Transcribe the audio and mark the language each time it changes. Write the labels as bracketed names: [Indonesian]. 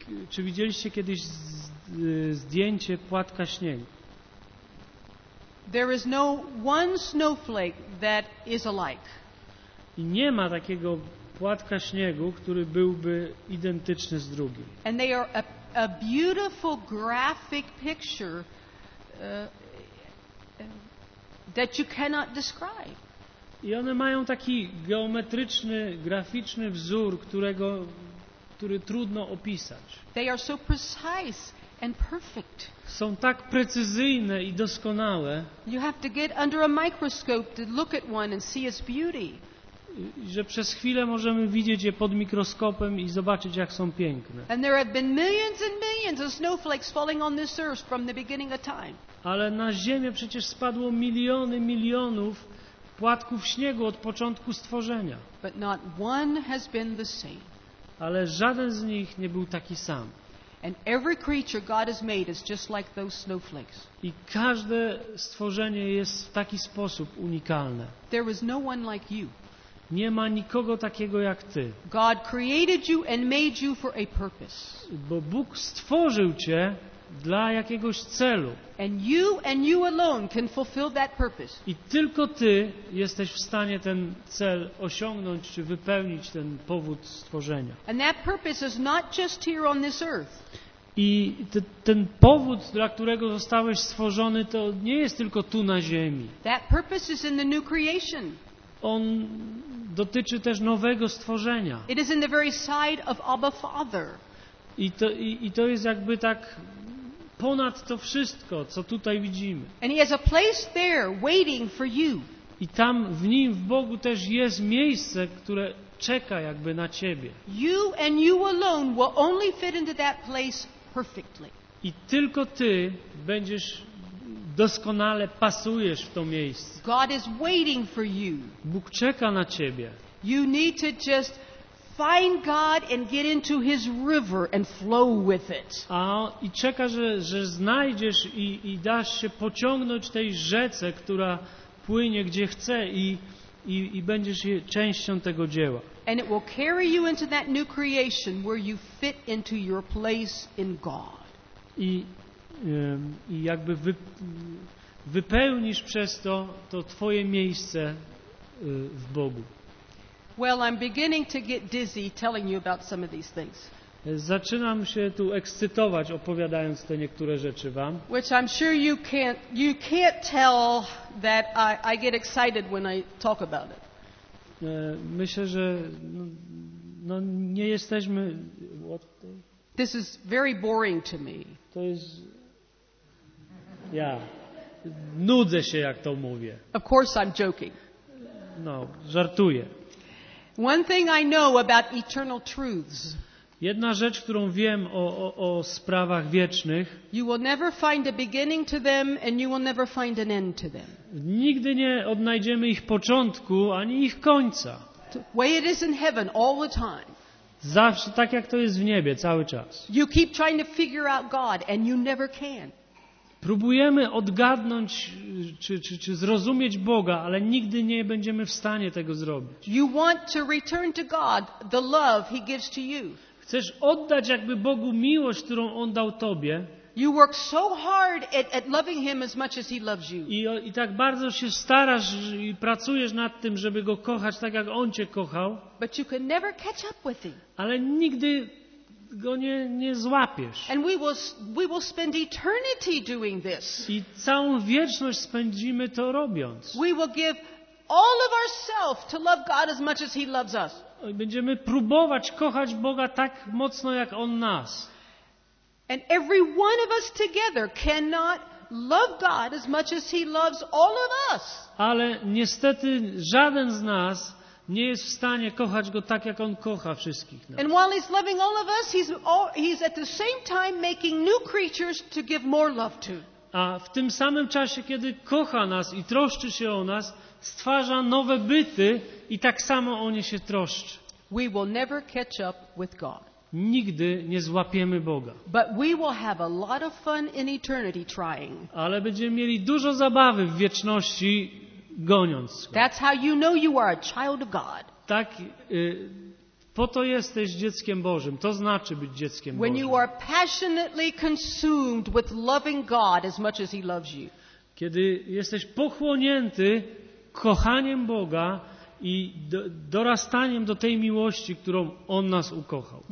[Polish] Czy widzieliście kiedyś zdjęcie płatka śniegu? [English] There is no one snowflake that is alike. [Polish] I nie ma takiego płatka śniegu, który byłby identyczny z drugim. [English] And they are a beautiful graphic picture that you cannot describe. [Polish] I one mają taki geometryczny, graficzny wzór, który trudno opisać. [English] They are so precise and perfect. [Polish] Są tak precyzyjne i doskonałe. [English] You have to get under a microscope to look at one and see its beauty. [Polish] Że przez chwilę możemy widzieć je pod mikroskopem i zobaczyć, jak są piękne. [English] And there have been millions and millions of snowflakes falling on this earth from the beginning of time. [Polish] Ale na Ziemię przecież spadło miliony, milionów płatków śniegu od początku stworzenia. [English] But not one has been the same. [Polish] Ale żaden z nich nie był taki sam. [English] And every creature God has made is just like those snowflakes. [Polish] I każde stworzenie jest w taki sposób unikalne. [English] There is no one like you. [Polish] Nie ma nikogo takiego jak ty. [English] God created you and made you for a purpose. [Polish] Bo Bóg stworzył cię dla jakiegoś celu. [English] And you alone can fulfill that purpose. [Polish] I tylko ty jesteś w stanie ten cel osiągnąć czy wypełnić ten powód stworzenia. [English] And that purpose is not just here on this earth. [Polish] I ten powód, dla którego zostałeś stworzony, to nie jest tylko tu na ziemi. [English] That purpose is in the new creation. [Polish] On dotyczy też nowego stworzenia. [English] It is in the very side of Abba Father. [Polish] I to jest jakby tak ponad to wszystko, co tutaj widzimy. [English] And he has a place there waiting for you. [Polish] I tam w nim, w Bogu też jest miejsce, które czeka jakby na ciebie. [English] You and you alone will only fit into that place perfectly. [Polish] I tylko ty będziesz doskonale pasujesz w to miejsce. [English] God is waiting for you. [Polish] Bóg czeka na ciebie. [English] You need to just find God and get into His river and flow with it. [Polish] I czeka, że znajdziesz i dasz się pociągnąć tej rzece, która płynie gdzie chce i będziesz częścią tego dzieła. [English] And it will carry you into that new creation where you fit into your place in God. [Polish] I jakby wypełnisz przez to twoje miejsce w Bogu. [English] Well, I'm beginning to get dizzy telling you about some of these things. [Polish] Zaczynam się tu ekscytować opowiadając te niektóre rzeczy wam. [English] Which I'm sure you can't tell that I get excited when I talk about it. [Polish] Myślę, że nie jesteśmy. [English] This is very boring to me. [Polish] To jest. Ja nudzę się, jak to mówię. [English] Of course I'm joking. [Polish] No, żartuję. [English] One thing I know about eternal truths. [Polish] Jedna rzecz, którą wiem o sprawach wiecznych. [English] You will never find a beginning to them and you will never find an end to them. [Polish] Nigdy nie odnajdziemy ich początku ani ich końca. [English] Way it is in heaven all the time. [Polish] Zawsze tak jak to jest w niebie cały czas. [English] You keep trying to figure out God and you never can. [Polish] Próbujemy odgadnąć czy zrozumieć Boga, ale nigdy nie będziemy w stanie tego zrobić. [English] You want to return to God the love He gives to you. [Polish] Chcesz oddać jakby Bogu miłość, którą On dał tobie. [English] You work so hard at loving Him as much as He loves you. [Polish] I tak bardzo się starasz i pracujesz nad tym, żeby Go kochać tak, jak On cię kochał. [English] But you can never catch up with Him. [Polish] Ale nigdy Go nie złapiesz. [English] And we will spend eternity doing this. [Polish] I całą wieczność spędzimy to robiąc. [English] We will give all of ourselves to love God as much as He loves us. [Polish] Będziemy próbować kochać Boga tak mocno, jak On nas. [English] And every one of us together cannot love God as much as He loves all of us. [Polish] Ale niestety żaden z nas nie jest w stanie kochać Go tak, jak On kocha wszystkich nas. [English] And while He's loving all of us, He's at the same time making new creatures to give more love to. [Polish] A w tym samym czasie, kiedy kocha nas i troszczy się o nas, stwarza nowe byty i tak samo o nie się troszczy. [English] We will never catch up with God. [Polish] Nigdy nie złapiemy Boga. [English] But we will have a lot of fun in eternity trying. [Polish] Ale będziemy mieli dużo zabawy w wieczności goniąc Go. [English] That's how you know you are a child of God. [Polish] Tak, po to jesteś dzieckiem Bożym. To znaczy być dzieckiem [English] When [Polish] Bożym. [English] When you are passionately consumed with loving God as much as He loves you. [Polish] Kiedy jesteś pochłonięty kochaniem Boga i dorastaniem do tej miłości, którą On nas ukochał.